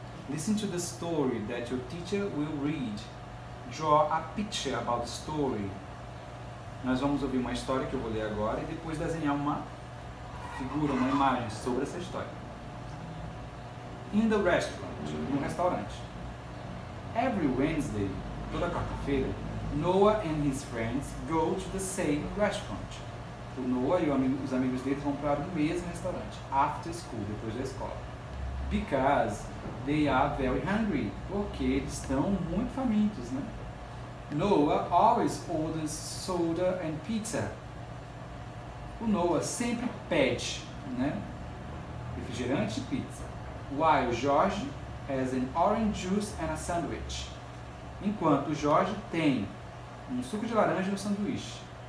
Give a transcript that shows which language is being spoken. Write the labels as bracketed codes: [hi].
[en] Listen to the story that your teacher will read. Draw a picture about the story. [pt] Nós vamos ouvir uma história que eu vou ler agora e depois desenhar uma figura, uma imagem sobre essa história. [en] In the restaurant, [pt] no restaurante. [en] Every Wednesday, [pt] toda quarta-feira, [en] Noah and his friends go to the same restaurant. [pt] O Noah e os amigos dele vão para o mesmo restaurante, [en] after school, [pt] depois da escola. [en] Because they are very hungry, [pt] porque eles estão muito famintos, né? [en] Noah always orders soda and pizza. [pt] O Noah sempre pede, né? Refrigerante e pizza. [en] While George has an orange juice and a sandwich. [pt] Enquanto George tem um suco de laranja e um sanduíche.